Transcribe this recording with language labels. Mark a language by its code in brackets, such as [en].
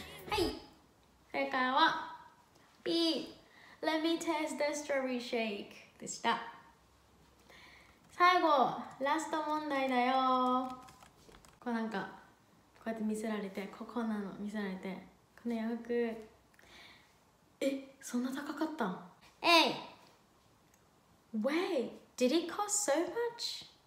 [ja] はい、正解は B [en] Let me taste the strawberry shake [ja] でした。最後ラスト問題だよ。こうなんかこうやって見せられて、ここなの見せられて、この洋服、そんな高かったん？ [en] A Wait, did it cost so much?